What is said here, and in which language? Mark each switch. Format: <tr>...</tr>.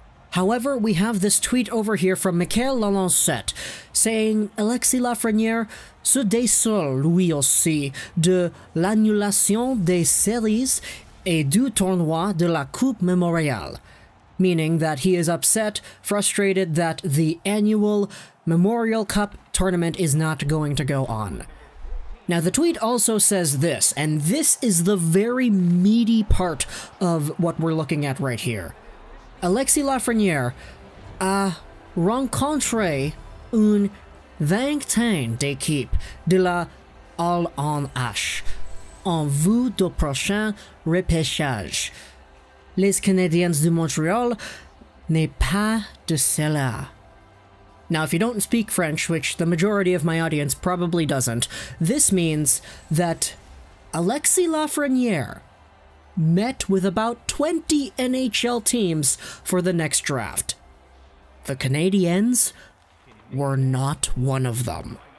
<en>However, we have this tweet over here from Michael Lalancette saying,</en> <fr>Alexis Lafrenière se désole lui aussi de l'annulation des séries et du tournoi de la Coupe Memorial,</fr> <en>meaning that he is upset, frustrated that the annual Memorial Cup tournament is not going to go on. Now, the tweet also says this, and this is the very meaty part of what we're looking at right here.</en> <fr>Alexis Lafrenière a rencontré une vingtaine d'équipes de la LNH en vue du prochain repêchage. Les Canadiens de Montréal n'est pas de cela.</fr> <en>Now, if you don't speak French, which the majority of my audience probably doesn't, this means that Alexis Lafrenière met with about 20 NHL teams for the next draft. The Canadiens were not one of them.</en>